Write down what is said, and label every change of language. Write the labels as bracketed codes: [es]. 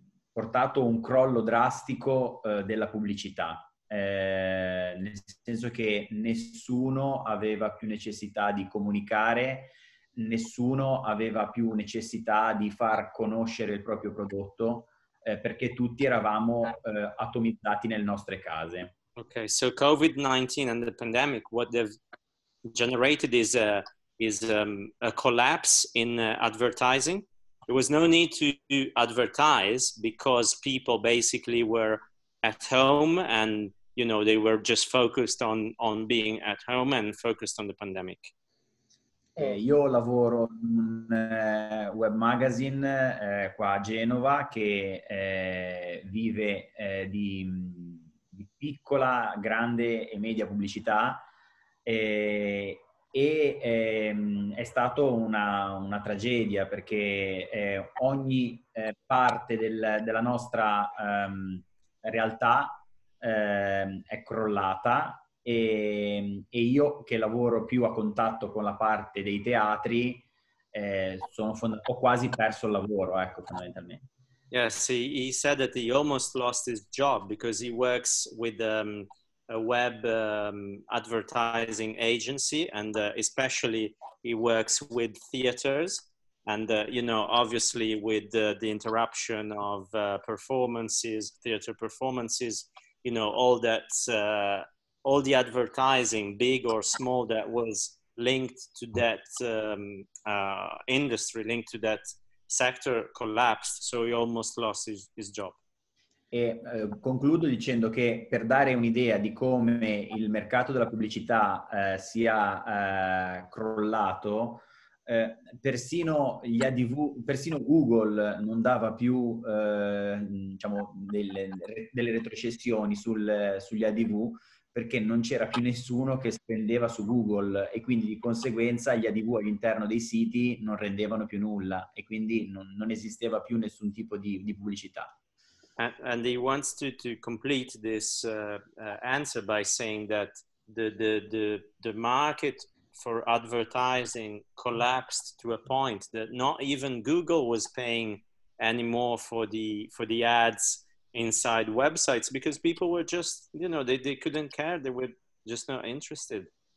[it] portato un crollo drastico della pubblicità, nel senso che nessuno aveva più necessità di comunicare, nessuno aveva più necessità di far conoscere il proprio prodotto, perché tutti eravamo atomizzati nelle nostre case. [en] Okay, so COVID-19 and the pandemic, what they've generated is a collapse in advertising. There was no need to advertise because people basically were at home and, you know, they were just focused on being at home and focused on the pandemic. [it] Io lavoro in un web magazine qua a Genova che vive di piccola, grande e media pubblicità e è stato una tragedia perché ogni parte della nostra realtà è crollata. E io che lavoro più a contatto con la parte dei teatri ho quasi perso il lavoro, ecco, fondamentalmente. [en] Yes, he said that he almost lost his job because he works with a web advertising agency and especially he works with theaters and obviously with the interruption of theater performances, you know, all that all the advertising, big or small, that was linked to that industry, linked to that sector, collapsed. So he almost lost his job. [it] E concludo dicendo che per dare un'idea di come il mercato della pubblicità sia crollato, persino Google non dava più delle retrocessioni sugli ADV, perché non c'era più nessuno che spendeva su Google e quindi di conseguenza gli ADV all'interno dei siti non rendevano più nulla e quindi non esisteva più nessun tipo di pubblicità. [en] And he wants to complete this answer by saying that the market for advertising collapsed to a point that not even Google was paying anymore for the ads inside websites because people were just, you know, they couldn't care, they were just not interested.